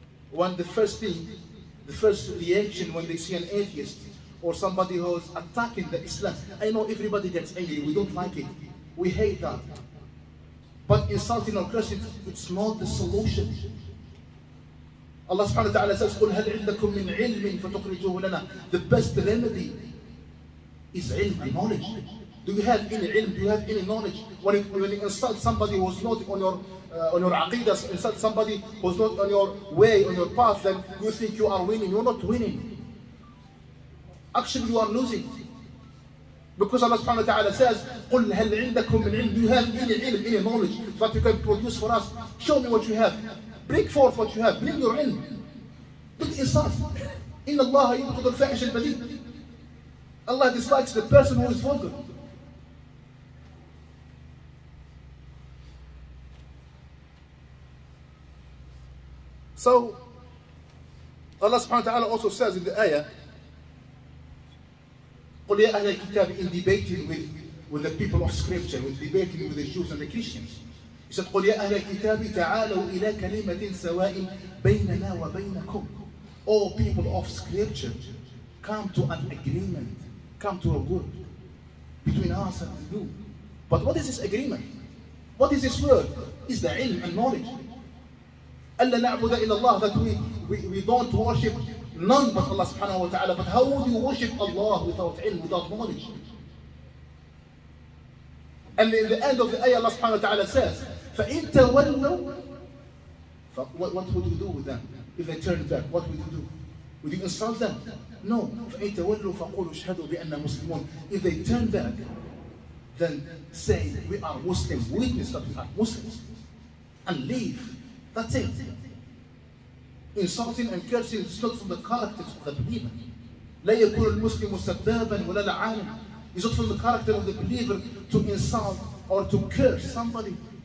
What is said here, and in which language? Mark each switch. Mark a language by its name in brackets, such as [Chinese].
[English] When the first reaction when they see an atheist or somebody who's attacking the Islam, I know everybody gets angry, we don't like it, we hate that. But insulting or cursing, it's not the solution. Allah subhanahu wa ta'ala says, [Arabic] قُلْ هَلْ عِلَّكُمْ مِنْ عِلْمٍ فَتُخْرِجُوهُ لَنَا. [English] The best remedy is ilm, knowledge. Do you have any ilm? Do you have any knowledge? When you insult somebody who's not on your aqidah, insult somebody who's not on your way, on your path, then you think you are winning. You're not winning. Actually, you are losing. Because Allah subhanahu wa ta'ala says, [Arabic] قُلْ هَلْ عِنْدَكُمْ مِنْ عِلْمٍ. [English] Do you have any ilm, any knowledge that you can produce for us? Show me what you have. Bring forth what you have. Bring your ilm. Put insult. [Arabic] إِنَّ اللَّهَ يُبْغِضُ الْفَاحِشَ الْبَذِيءَ. [English] Allah dislikes the person who is vulgar. So Allah subhanahu wa ta'ala also says in the ayah, [Arabic] قُلْ يَا أَهْلَ الْكِتَابِ, [English] in debating with the people of scripture, with debating with the Jews and the Christians. He said, [Arabic] قُلْ يَا أَهْلَ الْكِتَابِ تَعَالَوْا إِلَى كَلِمَةٍ سَوَاءٍ بَيْنَنَا وَبَيْنَكُمْ. [English] All people of scripture, come to an agreement, come to a word between us and you. But what is this agreement? What is this word? It's the ilm and knowledge. [Arabic] أَلَّا نَعْبُدَ إِلَّا اللَّهِ, [English] that we don't worship none but Allah subhanahu wa ta'ala. But how would you worship Allah without ilm, without knowledge? And in the end of the ayah, Allah subhanahu wa ta'ala says, [Arabic] فَإِن تَوَلُّوا, [English] what would you do with them? If they turn back, what would you do? Would you insult them? No. [Arabic] فَإِن تَوَلُّوا فَقُولُوا شَهَدُوا بِأَنَّا مُسْلِمُونَ. [English] If they turn back, then say, we are Muslim, witness that we are Muslims, and leave. That's it. Insulting and cursing is not from the characters of the believer. [Arabic] لا يكون المسلم سبابا ولا العالم. [English] It's not from the character of the believer to insult or to curse somebody.